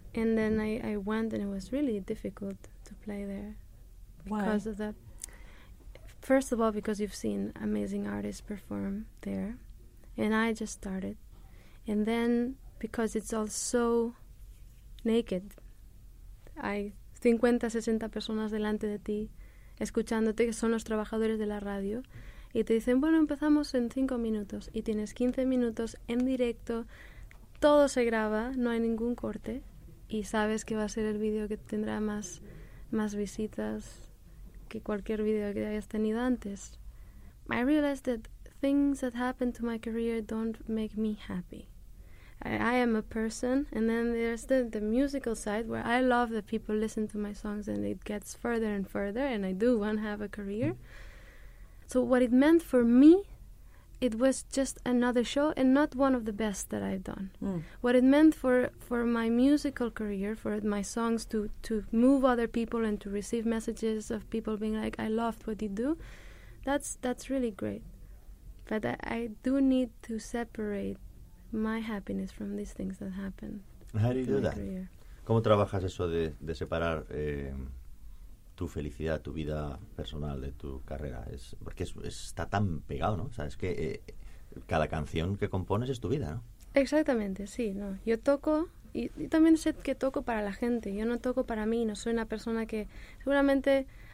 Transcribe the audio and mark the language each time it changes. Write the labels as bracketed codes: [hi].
[en] And then I went, and it was really difficult to play there. Why? Because of that. First of all, because you've seen amazing artists perform there. And I just started. And then because it's all so naked. [es] Hay 50, 60 personas delante de ti, escuchándote, que son los trabajadores de la radio. Y te dicen, bueno, empezamos en 5 minutos. Y tienes 15 minutos en directo. Todo se graba, no hay ningún corte. Y sabes que va a ser el video que tendrá más visitas que cualquier video que hayas tenido antes. [en] I realized that things that happened to my career don't make me happy. I am a person, and then there's the musical side where I love that people listen to my songs and it gets further and further, and I do want to have a career. So what it meant for me, it was just another show and not one of the best that I've done. Mm. What it meant for my musical career, for my songs to move other people and to receive messages of people being like, I loved what you do, that's really great. But I do need to separate my happiness from these things that happen. How do you do that? [es] ¿Cómo trabajas eso de separar tu felicidad, tu vida personal, de tu carrera? Porque está tan pegado, ¿no? O sea, es que cada canción que compones es tu vida, ¿no? Exactamente, sí, ¿no? Yo toco, y también sé que toco para la gente. Yo no toco para mí, no soy una persona que... Seguramente